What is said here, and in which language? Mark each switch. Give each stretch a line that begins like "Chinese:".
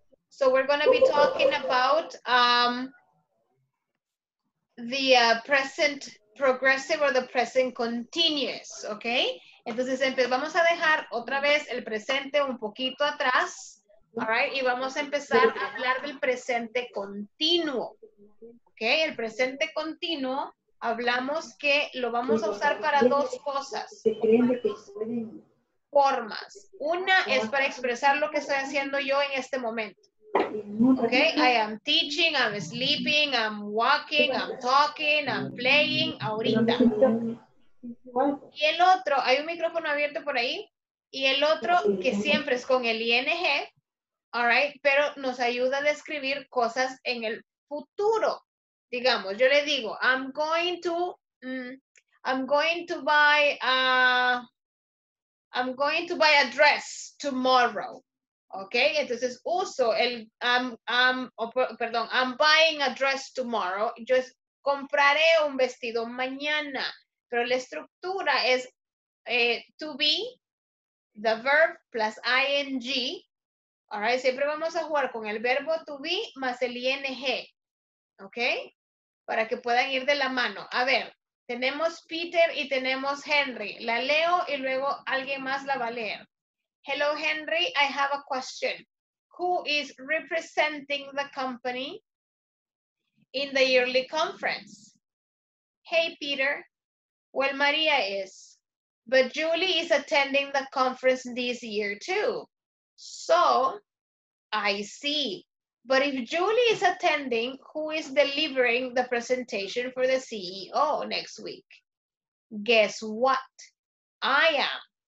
English: So we're going to be talking about the present progressive or the present continuous, okay?
Spanish: Entonces, vamos a dejar otra vez el presente un poquito atrás,
English: all right?
Spanish: Y vamos a empezar a hablar del presente continuo,
English: okay?
Spanish: El presente continuo. Hablamos que lo vamos a usar para dos cosas, formas. Una es para expresar lo que estoy haciendo yo en este momento.
English: Okay, I am teaching, I'm sleeping, I'm walking, I'm talking, I'm playing,
Spanish: ahorita. Y el otro, hay un micrófono abierto por ahí, y el otro que siempre es con el ing,
English: all right,
Spanish: pero nos ayuda a describir cosas en el futuro. Digamos, yo le digo,
English: I'm going to buy a dress tomorrow.
Spanish: Okay, entonces uso el
English: I'm buying a dress tomorrow.
Spanish: Yo compraré un vestido mañana. Pero la estructura es to be, the verb plus ing.
English: All right,
Spanish: siempre vamos a jugar con el verbo to be más el ing.
English: Okay.
Spanish: Para que puedan ir de la mano. A ver, tenemos Peter y tenemos Henry. La leo y luego alguien más la va a leer.
English: Hello, Henry, I have a question. Who is representing the company in the yearly conference? Hey, Peter. Well, Maria is. But Julie is attending the conference this year too. So, I see. But if Julie is attending, who is delivering the presentation for the CEO next week? Guess what? I am.